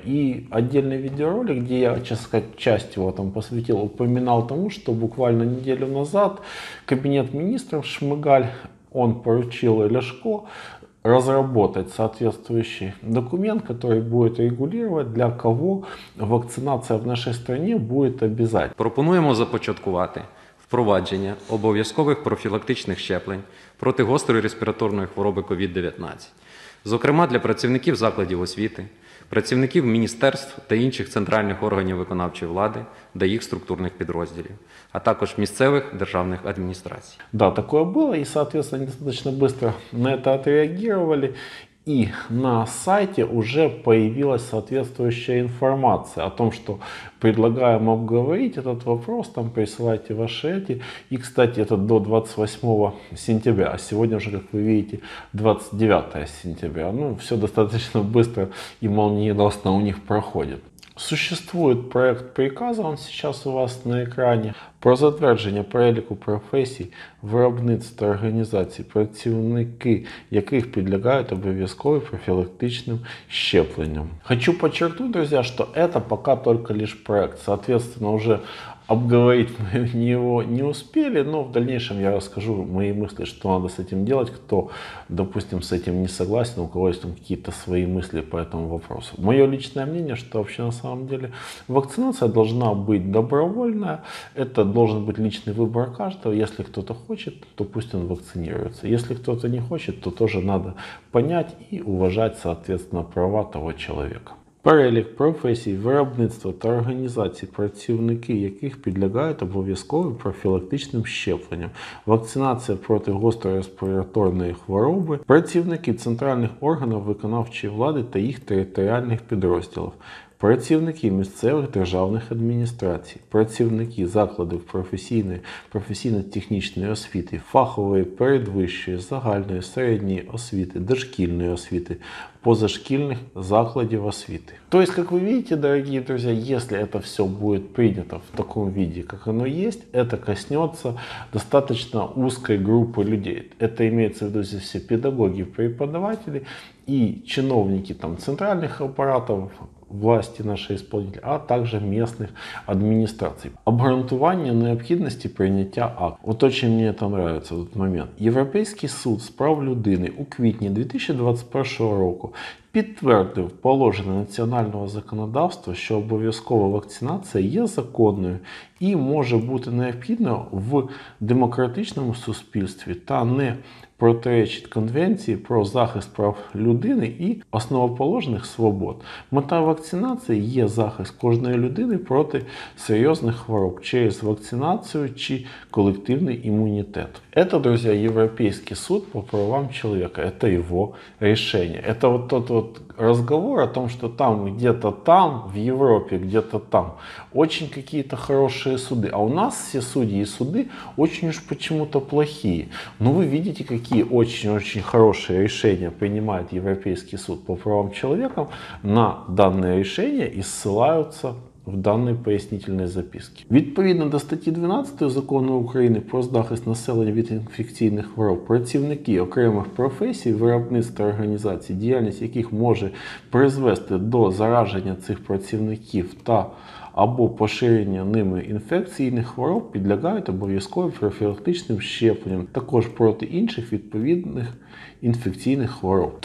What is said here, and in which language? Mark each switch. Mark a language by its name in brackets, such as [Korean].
[Russian] И отдельный видеоролик, где я, честно сказать, часть его там посвятил, упоминал тому, что буквально неделю назад кабинет министров Шмыгаль, он поручил Ляшко разработать соответствующий документ, который будет регулировать, для кого вакцинация в нашей стране будет обязательной. [Ukrainian] Пропонуємо започаткувати впровадження обов'язкових профілактичних щеплень проти гострої респіраторної хвороби COVID-19. Зокрема, для працівників закладів освіти, працівників міністерств та інших центральних органів виконавчої влади та їх структурних підрозділів, а також місцевих державних адміністрацій. Да, таке було, і, відповідно, достатньо швидко на це відреагували. [Russian] И на сайте уже появилась соответствующая информация о том, что предлагаем обговорить этот вопрос, там присылайте ваши эти. И, кстати, это до 28 сентября, а сегодня уже, как вы видите, 29 сентября. Ну, все достаточно быстро и молниеносно у них проходит. Существует проект приказа, он сейчас у вас на экране, [Ukrainian] про затвердження переліку професій виробництв та організацій, працівники яких підлягають обов'язковим профілактичним щепленням. [Russian] Хочу подчеркнуть, друзья, что это пока только лишь проект. Соответственно, уже обговорить мы его не успели, но в дальнейшем я расскажу мои мысли, что надо с этим делать, кто, допустим, с этим не согласен, у кого есть там какие-то свои мысли по этому вопросу. Мое личное мнение, что вообще на самом деле вакцинация должна быть добровольная, это должен быть личный выбор каждого, если кто-то хочет, то пусть он вакцинируется, если кто-то не хочет, то тоже надо понять и уважать, соответственно, права того человека. [Ukrainian] Перелік професій, виробництва та організацій, працівники яких підлягають обов'язковим профілактичним щепленням, вакцинація проти гострої респіраторної хвороби, працівники центральних органів виконавчої влади та їх територіальних підрозділів, працівники місцевих державних адміністрацій, працівники закладів професійної, професійно-технічної освіти, фахової, передвищої, загальної, середньої освіти, дошкільної освіти, позашкільних закладів освіти. [Russian] То есть, как вы видите, дорогие друзья, если это все будет принято в таком виде, как оно есть, это коснется достаточно узкой группы людей. Это имеется в виду здесь все педагоги, преподаватели и чиновники там, центральных аппаратов, власти нашей исполнительной, а также местных администраций. [Ukrainian] Обґрунтування необхідності прийняття акту. [Russian] Вот очень мне это нравится, этот момент. [Ukrainian] Європейський суд з прав людини у квітні 2021 року підтвердив положення національного законодавства, що обов'язкова вакцинація є законною і може бути необхідною в демократичному суспільстві та не протирічить Конвенції про захист прав людини і основоположних свобод. Мета вакцинації є захист кожної людини проти серйозних хвороб через вакцинацію чи колективний імунітет. Це, друзі, Європейський суд по правам людини. Це його рішення. [Russian] Це от тот от разговор о том, что там, где-то там, в Европе, где-то там, очень какие-то хорошие суды. А у нас все судьи и суды очень уж почему-то плохие. Но вы видите, какие очень-очень хорошие решения принимает Европейский суд по правам человека на данное решение и ссылаются в даній пояснительній записці. [Ukrainian] Відповідно до статті 12 Закону України про захист населення від інфекційних хвороб, працівники окремих професій, виробництва організацій, діяльність яких може призвести до зараження цих працівників та або поширення ними інфекційних хвороб, підлягають обов'язковим профілактичним щепленням, також проти інших відповідних інфекційних хвороб.